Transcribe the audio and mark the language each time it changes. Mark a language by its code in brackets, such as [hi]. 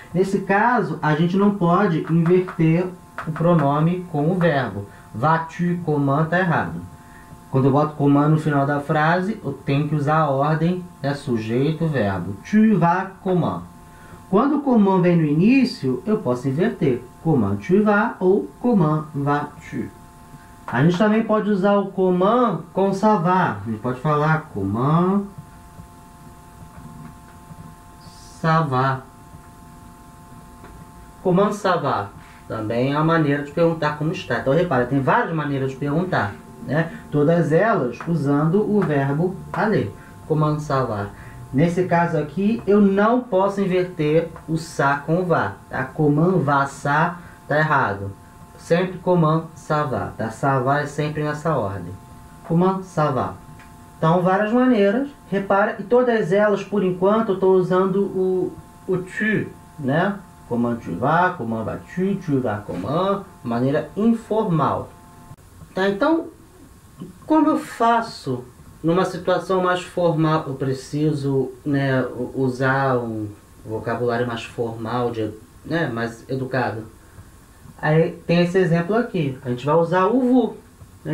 [pt] Nesse caso, a gente não pode inverter o pronome com o verbo. [fr] Vas-tu comment? [pt] Tá errado. Quando eu boto comando no final da frase, eu tenho que usar a ordem, é né? Sujeito, verbo. [fr] Tu vas comment. [pt] Quando o comment vem no início, eu posso inverter. [fr] Comment tu vas ou comment vas-tu. [pt] A gente também pode usar o comment com ça va. A gente pode falar [fr] comment ça va. Comment ça va? [pt] Também é uma maneira de perguntar como está. Então, repara, tem várias maneiras de perguntar. Né? Todas elas usando o verbo aller, [fr] comment ça va. [pt] Nesse caso aqui, eu não posso inverter o ça com o va. Tá? [fr] Comment va ça, [pt] tá errado. Sempre [fr] comment ça va. [pt] Tá? Ça va é sempre nessa ordem. [fr] Comment ça va. [pt] Então, várias maneiras. Repara, e todas elas, por enquanto, eu estou usando o tu. Né? [fr] Comment tu va, comment vas-tu, tu va comment. [pt] Maneira informal. Tá? Então, como eu faço numa situação mais formal, eu preciso, né, usar um vocabulário mais formal, de, né, mais educado? Aí tem esse exemplo aqui. A gente vai usar o vous. Né?